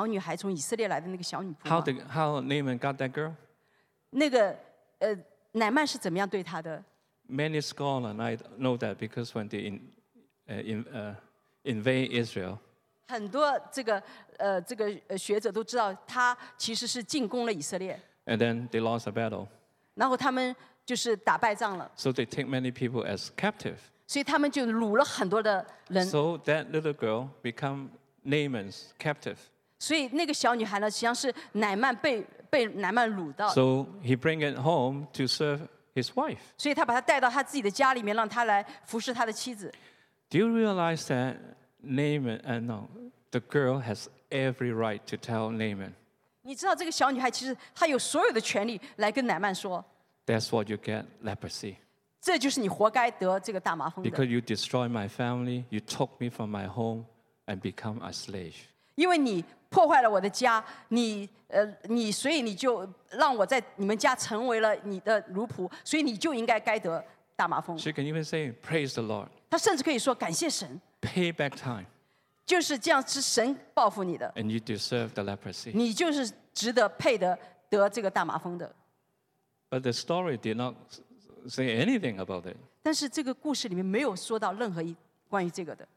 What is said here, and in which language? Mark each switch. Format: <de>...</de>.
<zh>等一下，你们想到当时那个小女孩从以色列来的那个小女仆吗？</zh> <en>How Naaman got that girl?</en> <zh>那个乃曼是怎么样对她的？</zh> <en>Many scholars and I know that because when they invade Israel.</en> <zh>很多这个学者都知道，他其实是进攻了以色列。</zh> <en>And then they lost a battle.</en> <zh>然后他们就是打败仗了。</zh> <en>So they take many people as captive.</en> <zh>所以他们就掳了很多的人。</zh> <en>So that little girl become Naaman's captive.</en> <zh>所以那个小女孩呢，实际上是乃曼被乃曼掳到。</zh> <en>So he bring it home to serve his wife.</en> <zh>所以他把她带到他自己的家里面，让她来服侍他的妻子。</zh> <en>Do you realize that Naaman? No, the girl has every right to tell Naaman.</en> <zh>你知道这个小女孩其实她有所有的权利来跟乃曼说。</zh> <en>That's what you get, leprosy.</en> <zh>这就是你活该得这个大麻风。</zh> <en>Because you destroyed my family, you took me from my home. And become a slave.</en> <zh>因为你破坏了我的家，你所以你就让我在你们家成为了你的奴仆，所以你就应该该得大麻风。</zh> <en>She can even say, "Praise the Lord."</en> <zh>她甚至可以说感谢神。</zh> <en>Payback time.</en> <zh>就是这样，是神报复你的。</zh> <en>And you deserve the leprosy.</en> <zh>你就是值得配得这个大麻风的。</zh> <en>But the story did not say anything about it.</en> <zh>但是这个故事里面没有说到任何关于这个的。</zh>